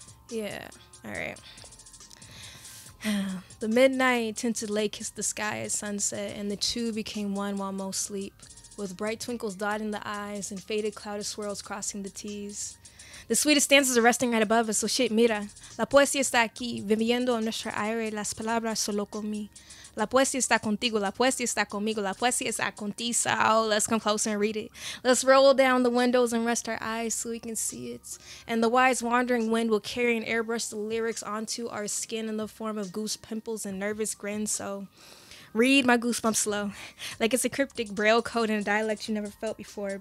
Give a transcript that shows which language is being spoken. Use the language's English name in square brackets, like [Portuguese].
[English] Yeah, all right. The midnight tinted lake kissed the sky at sunset, and the two became one while most sleep, with bright twinkles dotting the eyes and faded cloud of swirls crossing the T's. The sweetest dances are resting right above us, so shit, mira. [Spanish] La poesía está aquí, viviendo en nuestro aire las palabras solo con mí. La poesía está contigo, la poesía está conmigo, la poesía está contigo. [English] Oh, let's come closer and read it. Let's roll down the windows and rest our eyes so we can see it. And the wise wandering wind will carry and airbrush the lyrics onto our skin in the form of goose pimples and nervous grins. So read my goosebumps slow, like it's a cryptic braille code in a dialect you never felt before.